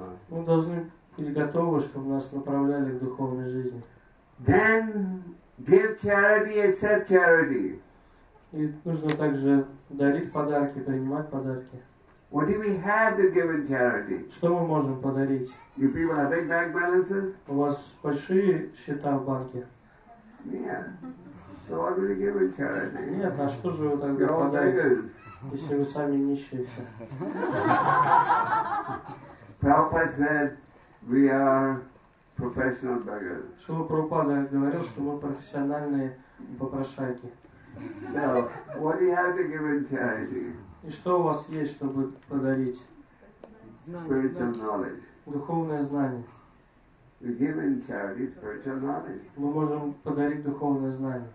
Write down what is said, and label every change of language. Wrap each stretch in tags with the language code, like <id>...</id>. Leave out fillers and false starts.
<ru>Мы должны быть готовы, чтобы нас направляли к духовной жизни.</ru> <en>Then give charity, accept charity.</en> <ru>И нужно также дарить подарки, принимать подарки.</ru> <en>What do we have to give in charity?</en> <ru>Что мы можем подарить?</ru> <en>You people have big bank balances?</en> <ru>У вас большие счета в банке?</ru> <en>Yeah. So what do we give in charity?</en> <ru>Нет, а что же вы тогда подарите, если вы сами нищие все?</ru> <en>Prabhupada said, we are professional beggars.</en> <ru>Шрила Прабхупада говорил, что мы профессиональные попрошайки.</ru> <en>So what do you have to give in charity?</en> <ru>И что у вас есть, чтобы подарить?</ru> <en>spiritual knowledge.</en> <ru>Духовное знание.</ru> <en>We give in charity spiritual knowledge.</en> <ru>Мы можем подарить духовное знание.</ru>